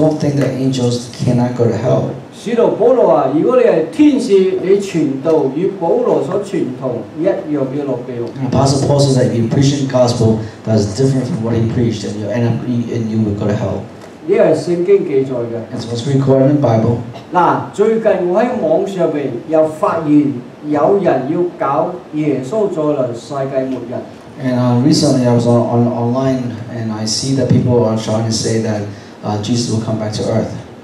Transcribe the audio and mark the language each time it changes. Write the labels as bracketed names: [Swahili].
[English] don't think that angels cannot go to hell. [Cantonese] 使徒保羅話：如果你係天使，你傳道與保羅所傳同一樣要落地獄。Apostle [English] Paul says that if you preach the gospel that is different from what he preached, then you end up and you will go to hell. [Cantonese] 呢個係聖經記載嘅。 [English] It's what's recorded in the Bible. [Cantonese] 嗱，最近我喺網上邊又發現有人要搞耶穌再臨世界末日。And [English] recently I was online and I see that people are trying to say that Jesus will come back to earth.